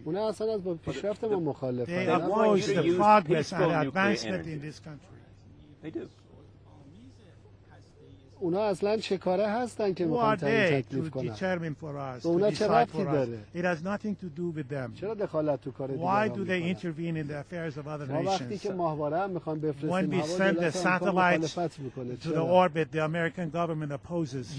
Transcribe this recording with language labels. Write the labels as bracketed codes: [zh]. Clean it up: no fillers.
[fa] اونا اصلا از با پیشرفت ما مخالفن. [en] They oppose the progress and advancement in this country. They do. [fa] اونا اصلا چه کاره هستن که میخوان تعیین تکلیف کنن؟ اونا چه ربطی داره؟ [en] It has nothing to do with them. [fa] چرا دخالت تو کار دیگران میکنن؟ [en] Why do they intervene in the affairs of other nations? [fa] وقتی که ماهواره هم میخوان بفرستیم [en] When we send the satellites to the orbit, the American government opposes.